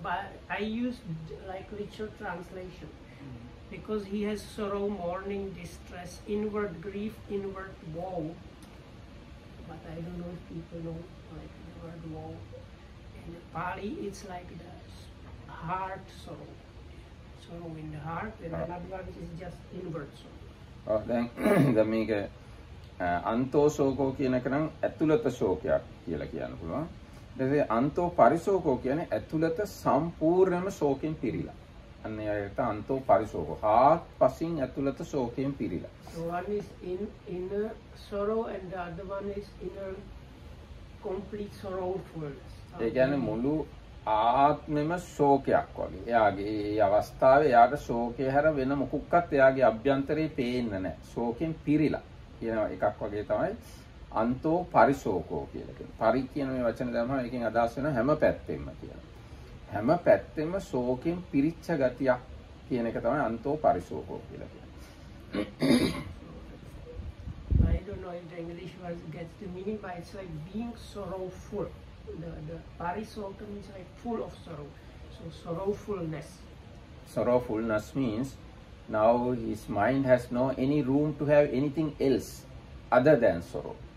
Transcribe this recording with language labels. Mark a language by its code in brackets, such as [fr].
[en] But I used like literal translation, because he has sorrow, mourning, distress, inward grief, inward woe. But I don't know if people know like the word woe. In Pali, it's like the heart sorrow. Sorrow in the heart, and another one is just inward sorrow. Oh, then, that means that [si] අන්තෝ ශෝකෝ කියන එක නම් ඇතුළත ශෝකයක් කියලා කියන්න පුළුවන්. ඊට පස්සේ අන්තෝ පරිශෝකෝ කියන්නේ ඇතුළත සම්පූර්ණම ශෝකෙන් පිරීලා. අන්න ඒකට අන්තෝ පරිශෝකෝ. හාත්පසින් ඇතුළත ශෝකයෙන් පිරීලා. [en] So one is in sorrow and the other one is in a complete sorrowfulness. [si] ඒ කියන්නේ මුළු ආත්මෙම ශෝකයක් වගේ. එයාගේ මේ අවස්ථාවේ එයාට ශෝකේ හැර වෙන මොකක්වත් එයාගේ අභ්‍යන්තරේ පේන්න නැහැ. ශෝකෙන් පිරීලා. එකක් වගේ තමයි අන්තෝ පරිශෝකෝ කියලා කියන්නේ. පරි කියන මේ වචන දැම්මම එකෙන් අදහස් වෙන හැම පැත්තෙම කියලා. හැම පැත්තෙම ශෝකෙන් පිරිච්ච ගතියක් කියන එක තමයි අන්තෝ පරිශෝකෝ කියලා කියන්නේ. [en] I don't know if the English word gets the meaning, but it's like being sorrowful. The parisoka means like full of sorrow. So sorrowfulness. Sorrowfulness means now his mind has no any room to have anything else other than sorrow.